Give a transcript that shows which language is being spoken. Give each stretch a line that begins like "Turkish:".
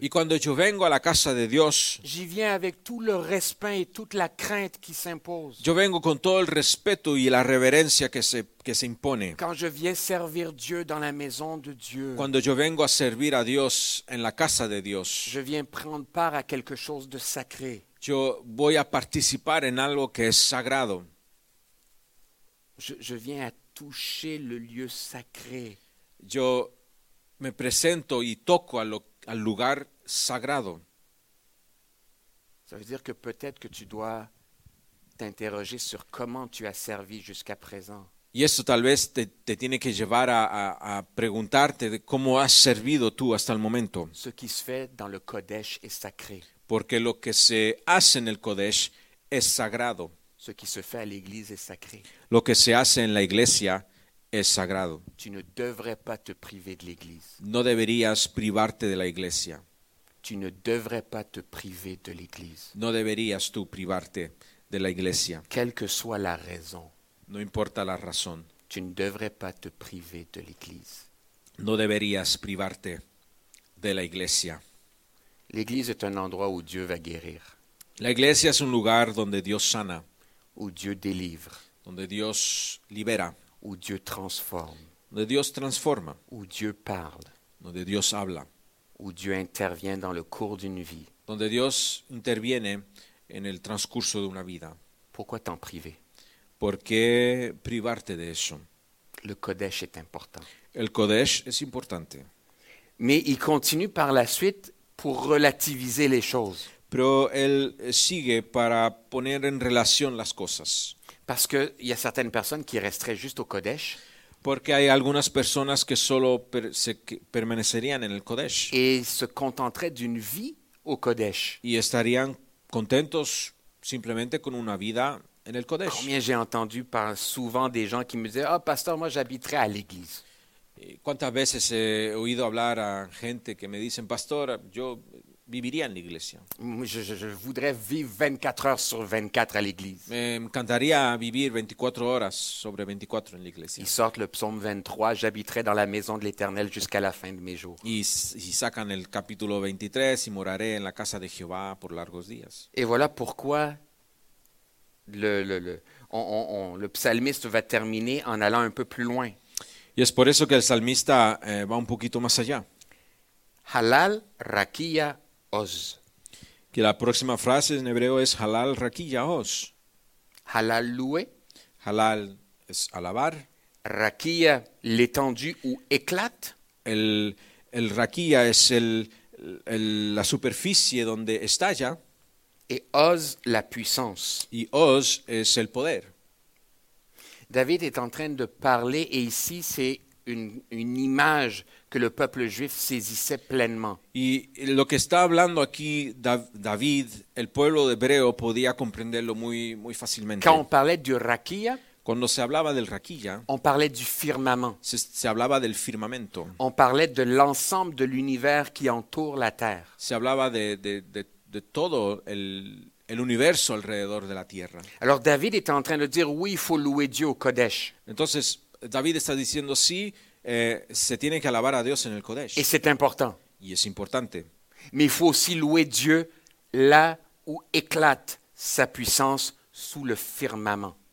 Spanish: y cuando yo vengo a la casa de Dios,
French: j'y viens avec tout le respect et toute la crainte qui s'impose.
Spanish: Yo vengo con todo el respeto y la reverencia que se impone.
French: Quand je viens servir Dieu dans la maison de Dieu,
Spanish: cuando yo vengo a servir a Dios en la casa de Dios,
French: je viens prendre part à quelque chose de sacré.
Spanish: Yo voy a participar en algo que es sagrado.
French: Je viens à toucher le lieu sacré.
Spanish: Yo me presento y toco al lugar sagrado.
French: Ça veut dire que peut-être que tu dois t'interroger sur comment tu as servi jusqu'à présent.
Spanish: Y eso tal vez te tiene que llevar a preguntarte de cómo has servido tú hasta el momento.
French: Ce qui se fait dans le Kodesh est sacré.
Spanish: Porque lo que se hace en el Kodesh es sagrado.
French: Ce qui se fait à l'église est sacré.
Spanish: Lo que se hace en la iglesia es sagrado.
French: Tu ne devrais pas te priver de l'église.
Spanish: No deberías privarte de la iglesia.
French: Tu ne devrais pas te priver de l'église.
Spanish: No deberías tú privarte de la iglesia.
French: Quelle que soit la raison.
Spanish: No importa la razón.
French: Tu ne devrais pas te priver de l'église.
Spanish: No deberías privarte de la iglesia.
French: L'église est un endroit où Dieu va guérir.
Spanish: La iglesia es un lugar donde Dios sana.
French: Où Dieu délivre.
Spanish: Donde Dios libera.
French: Où Dieu transforme.
Spanish: Donde Dios transforma.
French: Où Dieu parle.
Spanish: Donde Dios habla.
French: Où Dieu intervient dans le cours d'une vie.
Spanish: Donde Dios interviene en el transcurso de una vida.
French: Pourquoi t'en priver?
Spanish: ¿Por qué privarte de eso?
French: Le Kodesh est important.
Spanish: El Kodesh es importante.
French: Mais il continue par la suite pour relativiser les choses.
Spanish: Pero él sigue para poner en relación las cosas.
French: Parce que il y a certaines personnes qui resteraient juste au Kodesh.
Spanish: Porque hay algunas personas que solo permanecerían en el Kodesh.
French: Et se contenteraient d'une vie au Kodesh.
Spanish: Y estarían contentos simplemente con una vida en el Kodesh.
French: Combien j'ai entendu par souvent des gens qui me disaient: "Oh pasteur, moi j'habiterais à l'église."
Spanish: ¿Cuántas veces he oído hablar a gente que me dicen: "Pastor, yo viviría en la iglesia"?
French: Je voudrais vivre 24 heures sur 24 à l'église.
Spanish: Me encantaría vivir 24 horas sobre 24 en la iglesia.
French: Ils sortent le psaume 23, j'habiterai dans la maison de l'Éternel jusqu'à la fin de mes jours.
Spanish: Y sacan el capítulo 23 y moraré en la casa de Jehová por largos días.
French: Et voilà pourquoi le psalmiste va terminer en allant un peu plus loin.
Spanish: Y es por eso que el salmista va un poquito más allá.
Hebrew: Halal, rakia, oz.
Spanish: Que la próxima frase en hebreo es
Hebrew: halal rakiya oz.
French: Halal lue.
Spanish: Halal es alabar.
French: Rakiya, l'étendue ou éclate.
Spanish: El rakiya es la superficie donde estalla.
French: Et oz, la puissance.
Spanish: Y oz es el poder.
French: David est en train de parler et ici c'est une image que le peuple juif saisissait pleinement.
Spanish: Y lo que está hablando aquí David, el pueblo de hebreo podía comprenderlo muy muy fácilmente.
French: Quand on parlait du rakia,
Spanish: cuando se hablaba del rakia,
French: on parlait du firmament.
Spanish: Se hablaba del firmamento.
French: On parlait de l'ensemble de l'univers qui entoure la terre.
Spanish: Se hablaba de todo el universo alrededor de la tierra.
French: Alors David est en train de dire: oui, il faut louer Dieu au Kodesh.
Spanish: Entonces David está diciendo: sí, se tiene que alabar a Dios en el Kodesh.
French: Et c'est important.
Spanish: Y es importante.
French: Mais il faut aussi louer Dieu là où éclate sa puissance sous le firmament.